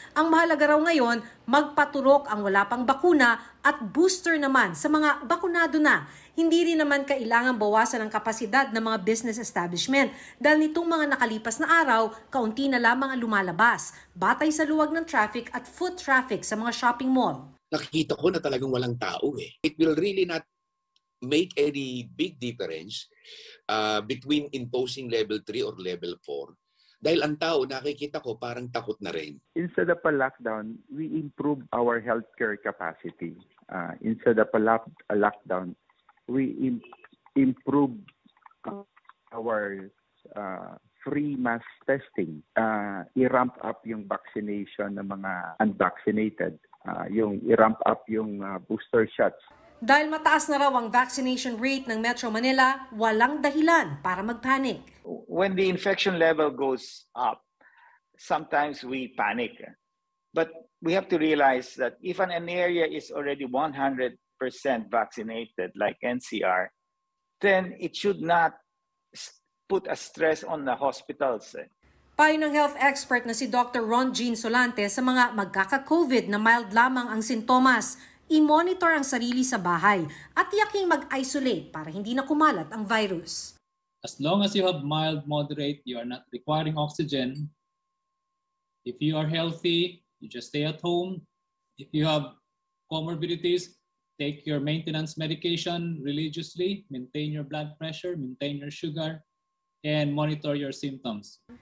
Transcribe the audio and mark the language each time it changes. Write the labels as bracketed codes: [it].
[tl] Ang mahalaga raw ngayon, magpaturok ang wala pang bakuna at booster naman sa mga bakunado na. Hindi rin naman kailangan bawasan ang kapasidad ng mga business establishment dahil nitong mga nakalipas na araw, kaunti na lamang ang lumalabas, batay sa luwag ng traffic at foot traffic sa mga shopping mall. Nakikita ko na talagang walang tao eh. [en] It will really not make any big difference between imposing level 3 or level 4. [tl] Dahil ang tao, nakikita ko parang takot na rin. [en] Instead of a lockdown, we improve our healthcare capacity. Instead of a lockdown, we improve our free mass testing, i-ramp up [tl] yung vaccination ng mga unvaccinated, [en] yung i-ramp up yung booster shots. [tl] Dahil mataas na raw ang vaccination rate ng Metro Manila, walang dahilan para magpanic. [en] When the infection level goes up, sometimes we panic. But we have to realize that if an area is already 100% vaccinated, like NCR, then it should not put a stress on the hospitals. [tl] Payo ng health expert na si Dr. Ron Jean Solante, sa mga magkaka-COVID na mild lamang ang sintomas, i-monitor ang sarili sa bahay at tiyaking mag-isolate para hindi na kumalat ang virus. [en] As long as you have mild, moderate, you are not requiring oxygen. If you are healthy, you just stay at home. If you have comorbidities, take your maintenance medication religiously, maintain your blood pressure, maintain your sugar, and monitor your symptoms.